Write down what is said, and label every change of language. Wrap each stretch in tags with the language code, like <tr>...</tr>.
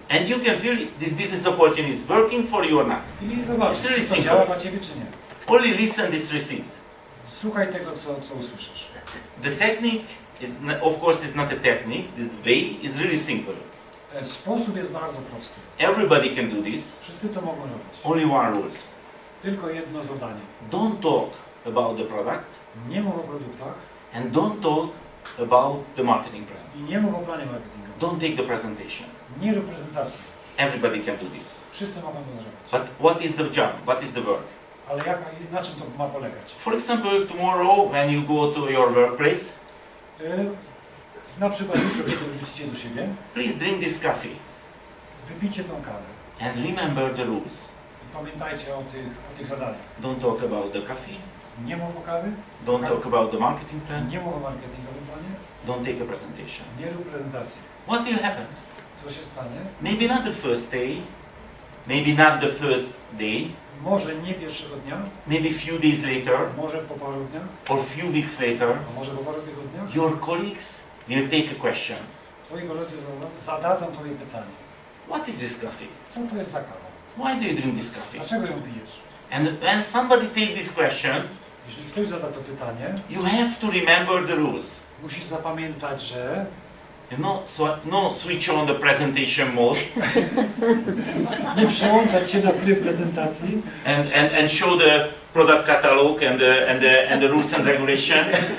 <en>And you can feel this business opportunity is working for you or not.</en> <pl>I zobacz, czy to działa dla ciebie, czy nie.</pl> <en>Only listen this receipt.</en> <pl>Słuchaj tego, co usłyszysz.</pl> <en>The technique is, of course, is not a technique. The way is really simple.</en> <pl>Sposób jest bardzo prosty.</pl> <en>Everybody can do this.</en> <pl>Wszyscy to mogą robić.</pl> <en>Only one rules.</en> <pl>Tylko jedno zadanie.</pl> <en>Don't talk about the product.</en> <pl>Nie mów o produktach.</pl> <en>And don't talk about the marketing plan.</en> <pl>I nie mów o planie marketingowym.</pl> <en>Don't take the presentation.</en> <pl>Nie rób prezentacji.</pl> <en>Everybody can do this.</en> <pl>Wszyscy mogą to zrobić.</pl> <en>But what is the job? What is the work?</en> <pl>Ale jak, na czym to ma polegać?</pl> <en>For example, tomorrow when you go to your workplace.</en> <pl>Na przykład jutro, kiedy wrócicie do siebie.</pl> <en>Please drink this coffee.</en> <pl>Wypijcie tą kawę.</pl> <en>And remember the rules.</en> <pl>Pamiętajcie o tych zadaniach.</pl> <en>Don't talk about the coffee.</en> <pl>Nie mów o kawie.</pl> <en>Don't talk about the marketing plan.</en> <pl>Nie mów o marketingowym planie.</pl> <en>Don't take a presentation.</en> <pl>Nie rób prezentacji.</pl> <en>What will happen?</en> <pl>Co się stanie?</pl> <en>Maybe not the first day. Maybe not the first day.</en> <pl>Może nie pierwszego dnia.</pl> <en>Maybe few days later.</en> <pl>Może po paru dniach.</pl> <en>Or few weeks later.</en> <pl>A może po paru tygodniach.</pl> <en>Your colleagues will take a question.</en> <pl>Twoi koledzy zadadzą tobie pytanie.</pl> <en>What is this coffee?</en> <pl>Co to jest za kawa?</pl> <en>Why do you drink this coffee?</en> <pl>Dlaczego ją pijesz?</pl> <en>And when somebody takes this question,</en> <pl>jeśli ktoś zada to pytanie,</pl> <en>you have to remember the rules.</en> <pl>Musisz zapamiętać, że</pl> <en>not switch on the presentation mode.</en> <pl>Nie przełączać się na tryb prezentacji.</pl> <en>And show the product catalog and the rules and regulations.</en>